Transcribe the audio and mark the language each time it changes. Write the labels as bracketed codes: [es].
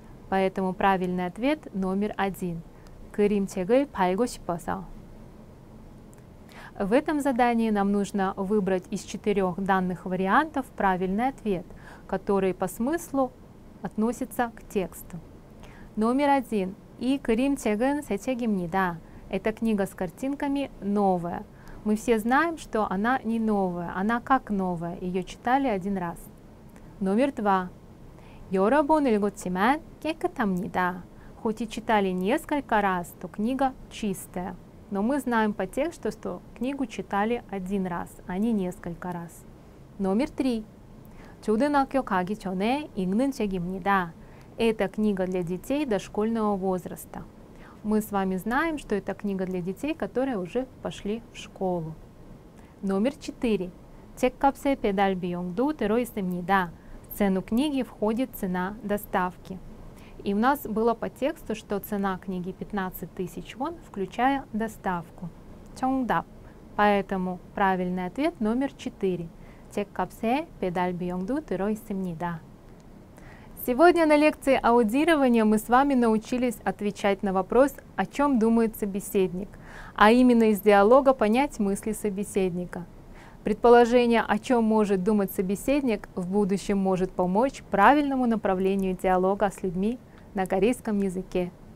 [ru] Поэтому правильный ответ номер один. [ko] 그림책을 팔고 싶어서. [ru] В этом задании нам нужно выбрать из четырех данных вариантов правильный ответ, который по смыслу относится к тексту. Номер один. [ko] 이 그림책은 새 책입니다. [ru] Эта книга с картинками новая. Мы все знаем, что она не новая, она как новая, ее читали один раз. Номер два. [ko] 여러분 읽었지만 깨끗합니다. [ru] Хоть и читали несколько раз, то книга чистая. Но мы знаем по тексту, что книгу читали один раз, а не несколько раз. Номер три. [ko] 초등학교 가기 전에 읽는 책입니다. [ru] Это книга для детей дошкольного возраста. Мы с вами знаем, что это книга для детей, которые уже пошли в школу. Номер четыре. [ko] 책값에 배달 비용도 들어있습니다. [ru] В цену книги входит цена доставки. И у нас было по тексту, что цена книги 15 тысяч вон, включая доставку. [ko] 정답. [ru] Поэтому правильный ответ номер 4. [ko] 책값에 배달 비용도 들어있습니다. [ru] Сегодня на лекции аудирования мы с вами научились отвечать на вопрос, о чем думает собеседник, а именно из диалога понять мысли собеседника. Предположение, о чем может думать собеседник, в будущем может помочь правильному направлению диалога с людьми на корейском языке.